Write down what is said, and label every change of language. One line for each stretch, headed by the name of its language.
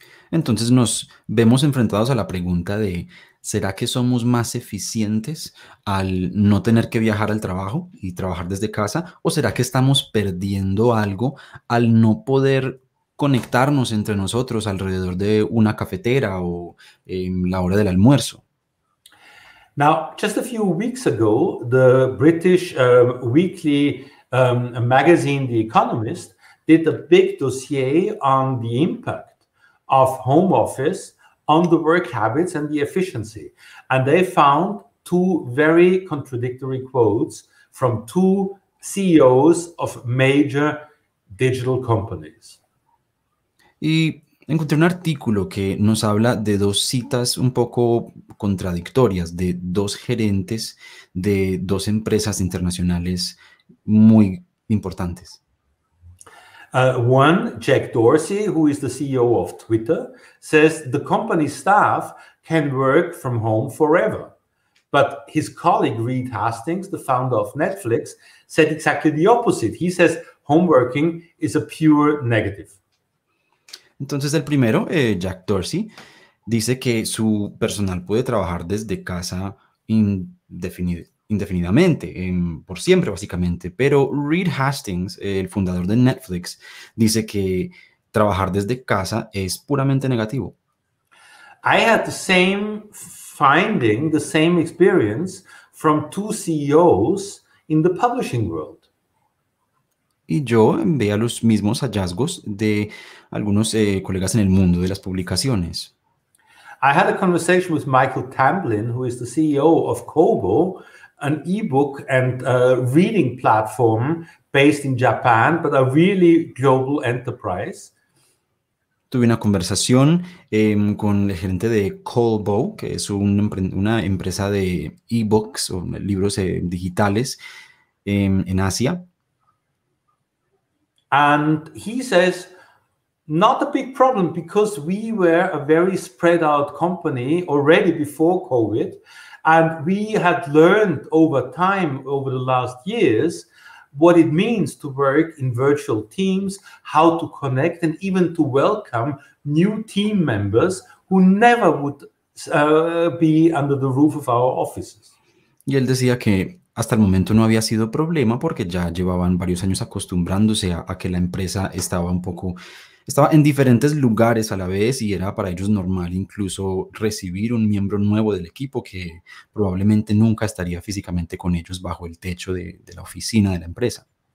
Spanish: Entonces nos vemos enfrentados a la pregunta de, ¿será que somos más eficientes al no tener que viajar al trabajo y trabajar desde casa? ¿O será que estamos perdiendo algo al no poder conectarnos entre nosotros alrededor de una cafetera o la hora del almuerzo?
English: Now, just a few weeks ago, the British weekly magazine The Economist did a big dossier on the impact of home office on the work habits and the efficiency. And they found two very contradictory quotes from two CEOs of major digital companies.
Spanish: Y encontré un artículo que nos habla de dos citas un poco contradictorias de dos gerentes de dos empresas internacionales muy importantes.
English: One, Jack Dorsey, who is the CEO of Twitter, says the company staff can work from home forever. But his colleague, Reed Hastings, the founder of Netflix, said exactly the opposite. He says homeworking is a pure negative.
Spanish: Entonces, el primero, Jack Dorsey, dice que su personal puede trabajar desde casa indefinidamente, por siempre, básicamente. Pero Reed Hastings, el fundador de Netflix, dice que trabajar desde casa es puramente negativo.
English: I had the same finding, the same experience from two CEOs in the publishing world.
Spanish: Y yo veía los mismos hallazgos de algunos colegas en el mundo de las publicaciones.
English: I had a conversation with Michael Tamblyn, who is the CEO of Kobo, an ebook and reading platform based in Japan, but a really global enterprise.
Spanish: Tuve una conversación con el gerente de Kobo, que es una empresa de e-books o libros digitales en Asia.
English: And he says, not a big problem because we were a very spread out company already before COVID. And we had learned over time, over the last years, what it means to work in virtual teams, how to connect and even to welcome new team members who never would be under the roof of our offices.
Spanish: Y él decía que hasta el momento no había sido problema porque ya llevaban varios años acostumbrándose a que la empresa estaba en diferentes lugares a la vez y era para ellos normal incluso recibir un miembro nuevo del equipo que probablemente nunca estaría físicamente con ellos bajo el techo de la oficina de la empresa.